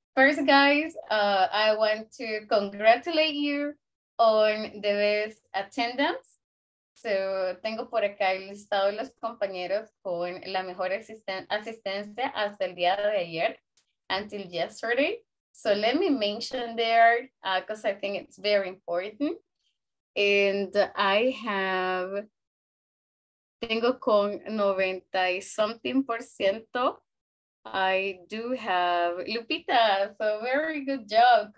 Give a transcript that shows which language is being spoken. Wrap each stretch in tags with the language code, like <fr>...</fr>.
<en>First, guys, I want to congratulate you on the best attendance.</en> <es>So, tengo por acá el listado de los compañeros con la mejor asistencia hasta el día de ayer,</es> <en>until yesterday. So, let me mention there, because I think it's very important. And I have,</en> <es>tengo con</es> <en>90 something %. I do have Lupita, so very good job.</en>